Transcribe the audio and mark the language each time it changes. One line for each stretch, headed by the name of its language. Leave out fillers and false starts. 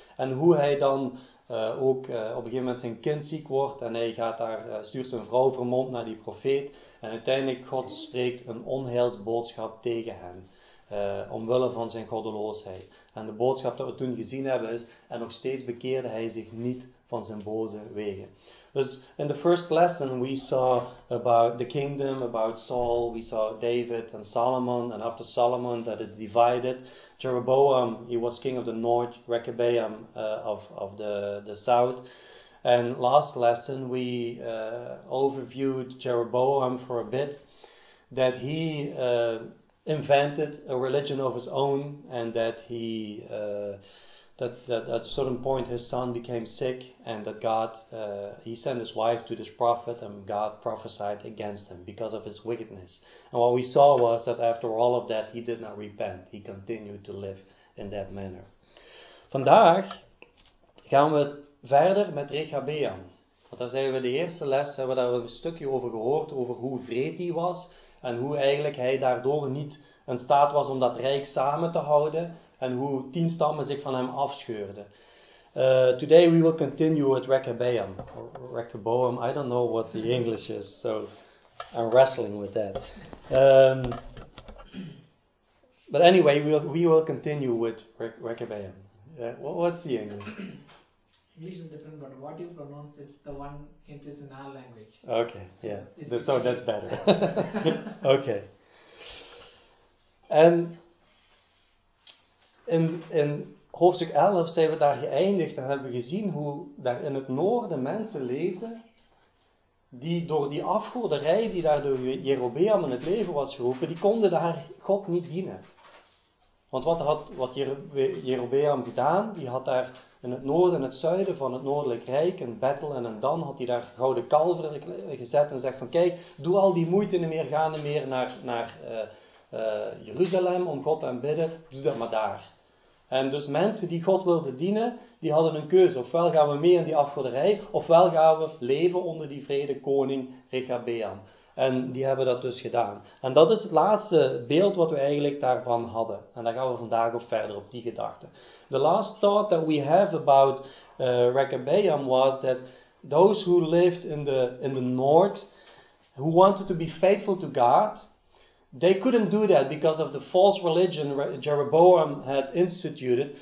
Dutch: En hoe hij dan ook op een gegeven moment zijn kind ziek wordt en hij gaat daar, stuurt zijn vrouw vermomd naar die profeet. En uiteindelijk, God spreekt een onheilsboodschap tegen hem, omwille van zijn goddeloosheid. En de boodschap dat we toen gezien hebben is, en nog steeds bekeerde hij zich niet van zijn boze wegen.
English: Dus in the first lesson we saw about the kingdom, about Saul, we saw David and Solomon, and after Solomon that it divided. Jeroboam, he was king of the north, Rechabeam of the south. And last lesson we overviewed Jeroboam for a bit, that he invented a religion of his own, and that he that at a certain point his son became sick, and that God, he sent his wife to this prophet, and God prophesied against him because of his wickedness. And what we saw was that after all of that, he did not repent. He continued to live in that manner.
Dutch: Vandaag gaan we verder met Rechabeam. Want daar zijn we de eerste les, hebben we daar een stukje over gehoord, over hoe wreed hij was, en hoe eigenlijk hij daardoor niet in staat was om dat rijk samen te houden, en hoe 10 stammen zich van hem afscheurden.
English: Today we will continue with Rechabeam. Rechabeam, I don't know what the English is, so I'm wrestling with that. But anyway, we will continue with Rechabeam. What's the English? English is different, but what you pronounce, it's the one, it is in our language. Okay, yeah. So that's better. Okay.
Dutch: And in hoofdstuk 11 zijn we daar geëindigd en hebben we gezien hoe daar in het noorden mensen leefden die door die afgoderij die daar door Jerobeam in het leven was geroepen, die konden daar God niet dienen. Want wat had Jerobeam gedaan? Die had daar in het noorden en het zuiden van het noordelijk rijk een Bethel en een Dan, had hij daar gouden kalveren gezet en zegt van kijk, doe al die moeite niet meer, ga niet meer naar Jeruzalem om God te aanbidden, doe dat maar daar. En dus mensen die God wilden dienen, die hadden een keuze. Ofwel gaan we mee in die afgoderij, ofwel gaan we leven onder die vrede koning Rechabeam. En die hebben dat dus gedaan. En dat is het laatste beeld wat we eigenlijk daarvan hadden. En daar gaan we vandaag op verder op die gedachte.
English: The last thought that we have about Rechabeam was that those who lived in the north, who wanted to be faithful to God, they couldn't do that because of the false religion Jeroboam had instituted.